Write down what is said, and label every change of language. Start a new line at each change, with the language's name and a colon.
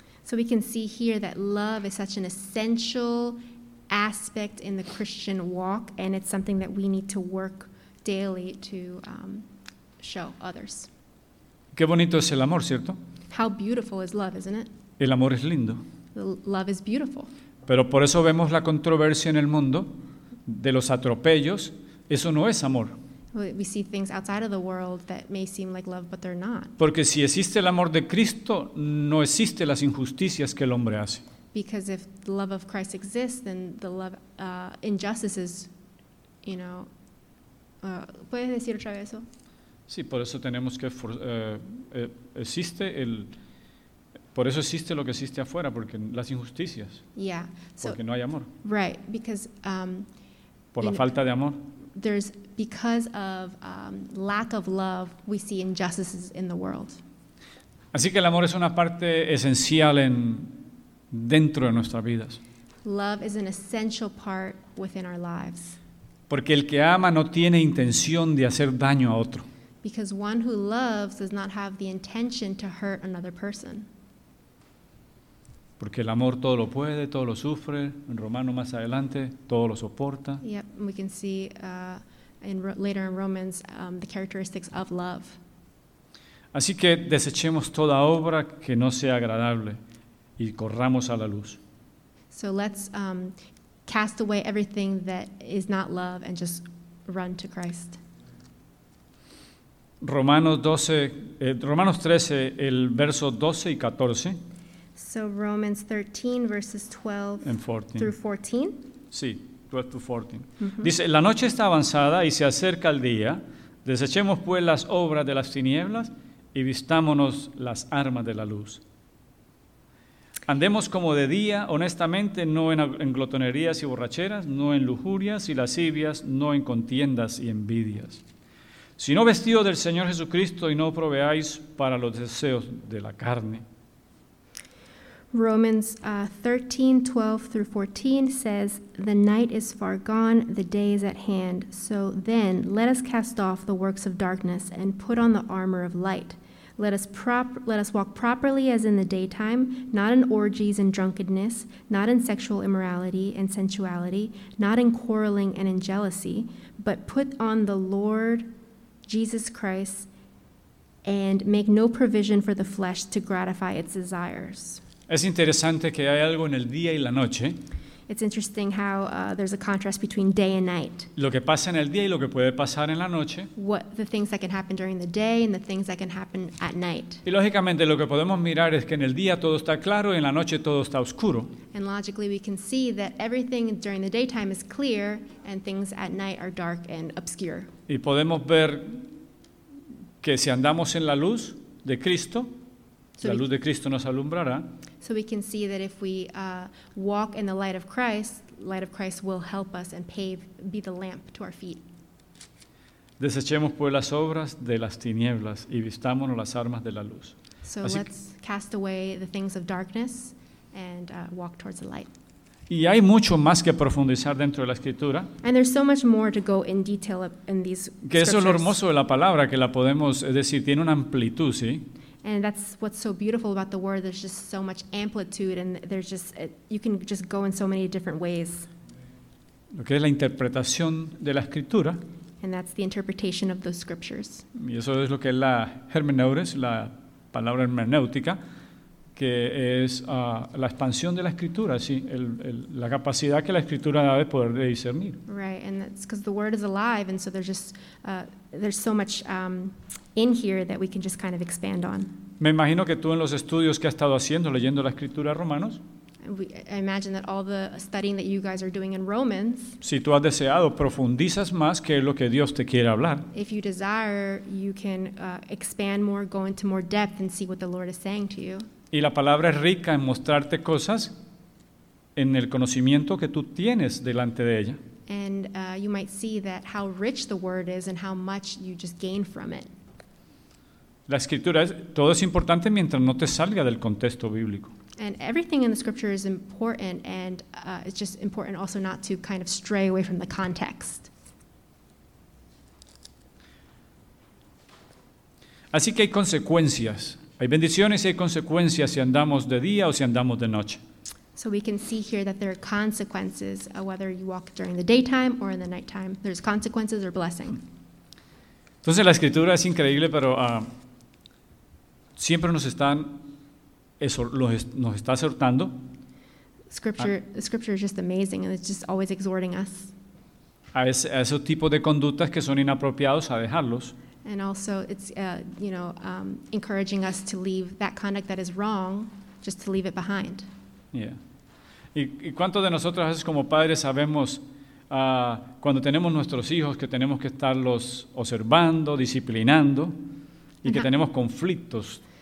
English: So we can see here that love is such an essential aspect in the Christian walk, and it's something that we need to work daily to show others.
Spanish: Qué bonito es el amor, ¿cierto?
English: How beautiful is love, isn't it?
Spanish: El amor es lindo.
English: Love is beautiful.
Spanish: Pero por eso vemos la controversia en el mundo de los atropellos. Eso no es amor.
English: We see things outside of the world that may seem like love, but they're not.
Spanish: Porque si existe el amor de Cristo, no existe las injusticias que el hombre hace.
English: Because if the love of Christ exists, then the love injustices, you know.
Spanish: ¿Puedes decir otra vez eso? Sí, por eso tenemos que existe el por eso existe lo que existe afuera porque las injusticias.
English: Yeah.
Spanish: Porque no hay amor.
English: Right, because
Spanish: por la falta de amor.
English: There's because of lack of love we see injustices in the world.
Spanish: Así que el amor es una parte esencial en dentro de nuestras vidas.
English: Love is an essential part within our lives.
Spanish: Porque el que ama no tiene intención de hacer daño a otro.
English: Because one who loves does not have the intention to hurt another person.
Spanish: Porque el amor todo lo puede, todo lo sufre. En Romano más adelante, todo lo soporta.
English: Yep, we can see later in Romans the characteristics of love.
Spanish: Así que desechemos toda obra que no sea agradable y corramos a la luz.
English: So let's cast away everything that is not love and just run to Christ.
Spanish: Romanos 13, el verso 12 y 14.
English: So Romans 13, verses 12 and 14. Through 14. Sí, 12 to 14. Mm-hmm.
Spanish: Dice, la noche está avanzada y se acerca el día. Desechemos pues las obras de las tinieblas y vistámonos las armas de la luz. Andemos como de día, honestamente, no en glotonerías y borracheras, no en lujurias y lascivias, no en contiendas y envidias. Sino vestido del Señor Jesucristo y no proveáis para los deseos de la carne.
English: Romans 13:12-14 says, the night is far gone, the day is at hand. So then, let us cast off the works of darkness and put on the armor of light. Let us walk properly as in the daytime, not in orgies and drunkenness, not in sexual immorality and sensuality, not in quarreling and in jealousy, but put on the Lord Jesus Christ and make no provision for the flesh to gratify its desires.
Spanish: Es interesante que hay algo en el día y la noche.
English: It's interesting how there's a contrast between day and night.
Spanish: Lo que pasa en el día y lo que puede pasar en la noche.
English: What the things that can happen during the day and the things that can happen at night.
Spanish: Y lógicamente lo que podemos mirar es que en el día todo está claro y en la noche todo está oscuro.
English: And logically we can see that everything during the daytime is clear and things at night are dark and obscure.
Spanish: Y podemos ver que si andamos en la luz de Cristo, la luz de Cristo nos alumbrará.
English: So we can see that if we walk in the light of Christ, light of Christ will help us and be the lamp to our feet.
Spanish: Desechemos pues las obras de las tinieblas y vistámonos las armas de la luz.
English: So así let's cast away the things of darkness and walk towards the light.
Spanish: Y hay mucho más que profundizar dentro de la Escritura.
English: And there's so much more to go in detail in these scriptures.
Spanish: Que eso es lo hermoso de la palabra, que la podemos, es decir, tiene una amplitud, ¿sí?
English: And that's what's so beautiful about the word. There's just so much amplitude, and there's just you can just go in so many different ways.
Spanish: Lo que es la interpretación de la escritura.
English: And that's the interpretation of those scriptures.
Spanish: Y eso es lo que es la hermeneutis, la palabra hermenéutica, que es la expansión de la escritura, sí, la capacidad que la escritura da de poder discernir.
English: Right, and that's because the word is alive, and so there's so much. In here that we can just kind of expand on.
Spanish: Me imagino que tú en los estudios que has estado haciendo leyendo la escritura de Romanos.
English: I imagine that all the studying that you guys are doing in Romans.
Spanish: Si tú has deseado profundizas más que lo que Dios te quiere hablar.
English: If you desire, you can expand more, go into more depth and see what the Lord is saying to you.
Spanish: Y la palabra es rica en mostrarte cosas en el conocimiento que tú tienes delante de ella.
English: And you might see that how rich the word is and how much you just gain from it.
Spanish: La escritura es todo es importante mientras no te salga del contexto bíblico.
English: And everything in the scripture is important, and it's just important also not to kind of stray away from the context.
Spanish: Así que hay consecuencias, hay bendiciones y hay consecuencias si andamos de día o si andamos de noche.
English: So we can see here that there are consequences whether you walk during the daytime or in the nighttime. There's consequences or blessing.
Spanish: Entonces la escritura es increíble, pero siempre nos está exhortando.
English: Scripture is just amazing, and it's just always exhorting us.
Spanish: A esos tipos de conductas que son inapropiados a dejarlos.
English: And also, it's encouraging us to leave that conduct that is wrong, just to leave it behind.
Spanish: Yeah. ¿Y cuántos de nosotros, como padres, sabemos Cuando tenemos nuestros hijos que tenemos que estarlos observando, disciplinando y que tenemos conflictos.